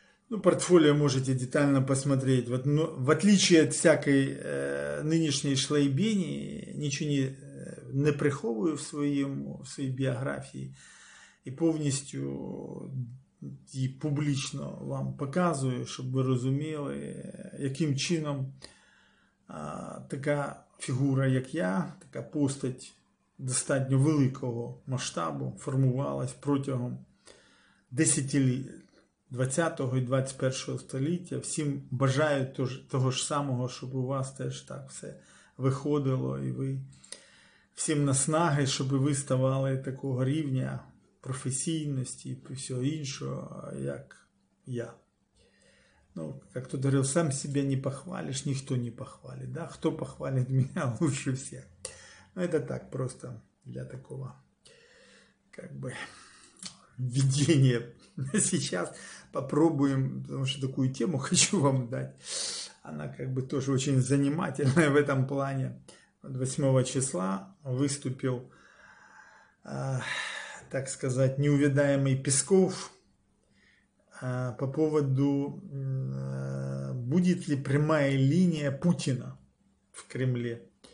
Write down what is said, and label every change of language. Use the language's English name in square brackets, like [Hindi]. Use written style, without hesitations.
[Russian] Ну, портфолио можете детально посмотреть. Вот, но, в отличие от всякой нынешней шлайбени, [Ukrainian] ничего не приховываю [Russian] в своей биографии [Ukrainian] и повністю [Russian] и публично вам показываю, чтобы вы разумели, [Ukrainian] каким чином [Russian] такая фигура, как я, такая постать достаточно великого масштаба [Ukrainian] формувалась протягом десятилетий. 20-го и 21-го століття. Всім бажаю того ж самого, щоб у вас теж так все виходило, і ви всім наснаги, щоб ви ставали такого рівня професійності і всього іншого, як я. Ну, як тут говорив, сам себе не похвалиш, ніхто не похвалить. Да? Хто похвалить мене, лучше всіх. Ну, це так, [Russian] просто для такого, как бы, введения. Сейчас попробуем, потому что такую тему хочу вам дать. Она как бы тоже очень занимательная в этом плане. 8 числа выступил, так сказать, неувядаемый Песков по поводу, будет ли прямая линия Путина в Кремле.